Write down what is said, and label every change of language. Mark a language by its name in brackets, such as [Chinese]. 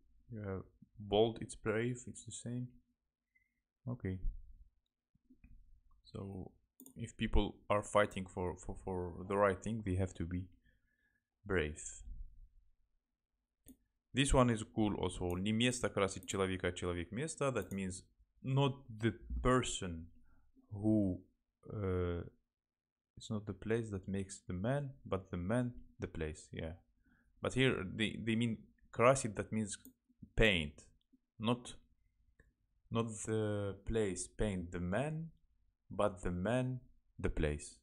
[English] You have bold, it's brave, it's the same. Okay, so if people are fighting for the right thing, they have to be brave. This one is cool also. [Russian] Не место красить человека, человек место. [English] That means not the person who it's not the place that makes the man, but the man the place. Yeah, but here they mean красить, that means paint, not the place paint the man, but the man the place.